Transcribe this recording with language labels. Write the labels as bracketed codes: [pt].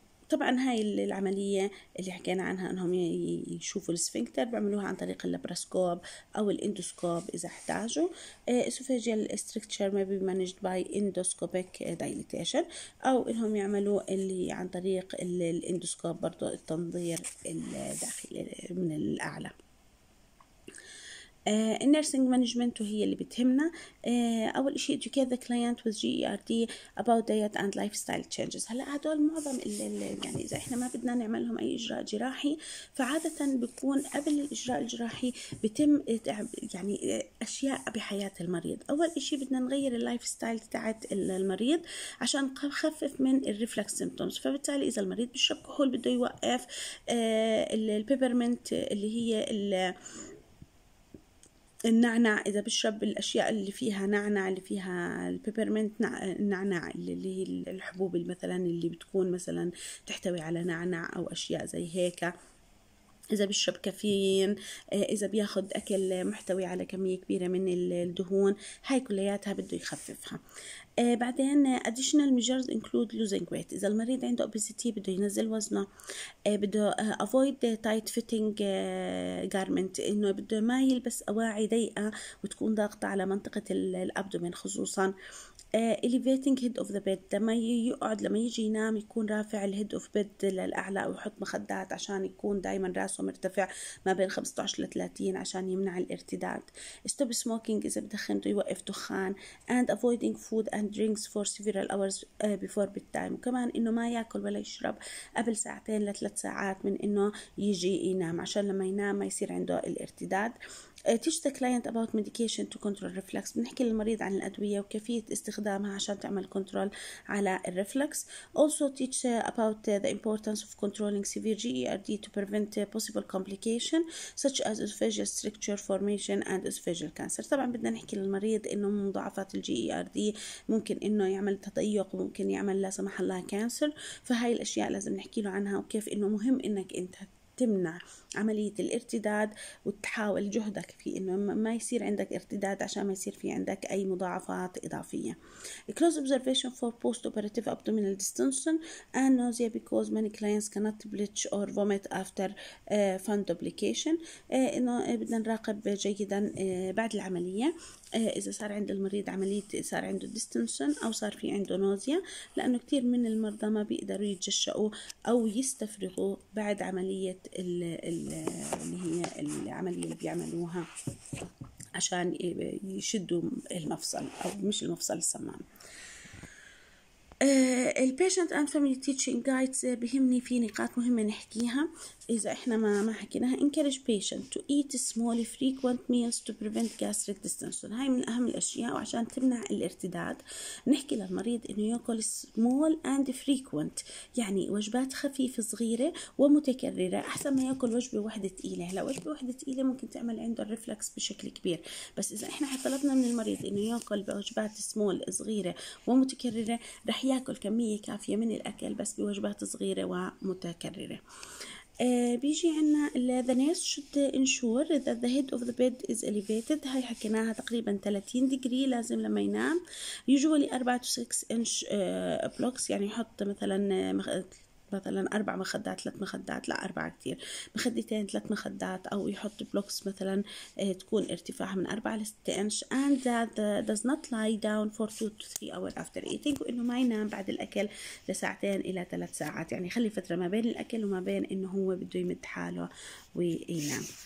[ar] طبعا هاي العملية اللي حكينا عنها انهم يشوفوا السفنكتر بعملوها عن طريق اللابراسكوب او الاندوسكوب اذا احتاجوا. [en] esophageal stricture may be managed by endoscopic dilatation, [ar] او انهم يعملوا اللي عن طريق الاندوسكوب برضو التنظير الداخلي من الاعلى. النيرسينج مانجمنت وهي اللي بتهمنا. اول شيء [en] educate the client with GERD about diet and lifestyle changes. [ar] هلا هدول معظم يعني اذا احنا ما بدنا نعملهم اي اجراء جراحي فعاده بيكون قبل الاجراء الجراحي بتم يعني اشياء بحياه المريض. اول شيء بدنا نغير اللايف ستايل تاعت المريض عشان نخفف من الريفلكس سيمبتومز. فبالتالي اذا المريض بيشرب كحول بده يوقف البيبرمنت اللي هي النعنع، اذا بشرب الاشياء اللي فيها نعنع اللي فيها البيبرمنت نعنع اللي هي الحبوب مثلا اللي بتكون مثلا تحتوي على نعنع او اشياء زي هيك، اذا بشرب كافيين، اذا بياخد اكل محتوي على كمية كبيرة من الدهون، هاي كلياتها بده يخففها. بعدين [en] additional measures include losing weight. [ar] إذا المريض عنده obesity بده ينزل وزنه، بده [en] avoid tight fitting garment، [ar] إنه بده ما يلبس أواعي ضيقة وتكون ضاغطة على منطقة الأبدومين خصوصا. [en] elevating head of the bed، [ar] ما يقعد لما يجي ينام يكون رافع [en] الهيد of bed [ar] للأعلى ويحط مخدات عشان يكون دائما راسه مرتفع ما بين 15 ل 30 عشان يمنع الارتداد. [en] stop smoking [ar] إذا بدخن بده يوقف دخان. [en] and avoiding food and drinks for several hours before bedtime، [ar] وكمان إنه ما ياكل ولا يشرب قبل ساعتين لثلاث ساعات من إنه يجي ينام عشان لما ينام ما يصير عنده الارتداد. [en] teach the client about medication to control reflux، [ar] بنحكي للمريض عن الأدوية وكيفية استخدامها عشان تعمل كنترول على الرفلكس. [en] also teach about the importance of controlling severe GERD to prevent possible complication such as esophageal stricture formation and esophageal cancer. [ar] طبعا بدنا نحكي للمريض إنه مضاعفات GERD ممكن إنه يعمل تضيق وممكن يعمل لا سمح الله كانسر، فهاي الأشياء لازم نحكي له عنها وكيف إنه مهم إنك أنت تمنع عملية الارتداد وتحاول جهدك في انه ما يصير عندك ارتداد عشان ما يصير في عندك اي مضاعفات اضافية. [en] close observation for post operative abdominal distension and nausea because many clients cannot bleach or vomit after fund duplication. [ar] انه بدنا نراقب جيدا بعد العملية اذا صار عند المريض عملية صار عنده distension او صار في عنده نوزيا، لانه كتير من المرضى ما بيقدروا يتجشؤوا او يستفرغوا بعد عملية اللي هي العملية اللي بيعملوها عشان يشدوا المفصل او مش المفصل الصمام. [en] البيشنت and family teaching guides [ar] بهمني في نقاط مهمة نحكيها اذا احنا ما حكيناها. [en] encourage patient to eat small frequent meals to prevent gastric distension, [ar] هاي من اهم الاشياء وعشان تمنع الارتداد نحكي للمريض انه ياكل [en] small and frequent, [ar] يعني وجبات خفيفه صغيره ومتكرره احسن ما ياكل وجبه واحده ثقيله. هلا وجبه واحده ثقيله ممكن تعمل عنده الريفلكس بشكل كبير، بس اذا احنا طلبنا من المريض انه ياكل بوجبات سمول صغيره ومتكرره رح ياكل كميه كافيه من الاكل بس بوجبات صغيره ومتكرره. بيجي عنا [en] the nurse should ensure that the head of the bed is elevated، [ar] هاي حكيناها تقريبا [en] 30 degree [ar] لازم لما ينام. [en] usually 4 to 6 inch blocks، [ar] يعني يحط مثلا اربع مخدات ثلاث مخدات، لا اربع كتير، مخدتين ثلاث مخدات، او يحط بلوكس مثلا تكون ارتفاعها من 4 ل 6 انش. [en] and that does not lie down for 2 to 3 hours after eating، [ar] وانه ما ينام بعد الاكل لساعتين الى ثلاث ساعات، يعني خلي فترة ما بين الاكل وما بين انه هو بده يمد حاله وينام.